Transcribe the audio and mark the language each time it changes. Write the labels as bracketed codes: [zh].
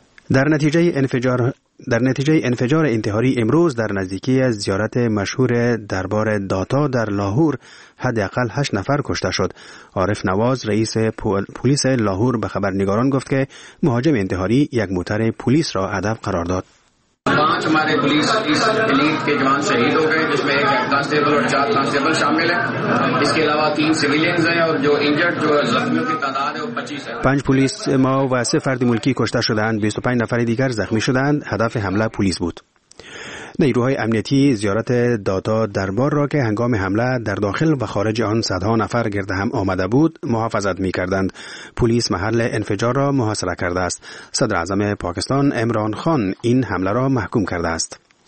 [fa] در نتیجه انفجار انتحاری امروز در نزدیکی از زیارت مشهور دربار داتا در لاهور حداقل 8 نفر کشته شد. عارف نواز رئیس پلیس لاهور به خبرنگاران گفت که مهاجم انتحاری یک موتر پلیس را هدف قرار داد. [ur] پانچ ہمارے پولیس ایلیٹ کے جوان شہید ہو گئے، جس میں ایک کانسٹیبل اور 4 کانسٹیبل شامل ہیں، اس کے علاوہ 3 سویلینز ہیں اور جو انجرڈ جو زخمیوں کی تعداد ہے وہ 25 ہے۔ [fa] 5 پولیس ماؤ و 3 فرد ملکی کشتہ شدند، 25 نفر دیگر زخمی شدند، هدف حمله پولیس بود. نیروهای امنیتی زیارت داتا دربار را که هنگام حمله در داخل و خارج آن صدها نفر گرد هم آمده بود محافظت می کردند. پلیس محل انفجار را محاصره کرده است. صدر اعظم پاکستان عمران خان این حمله را محکوم کرده است.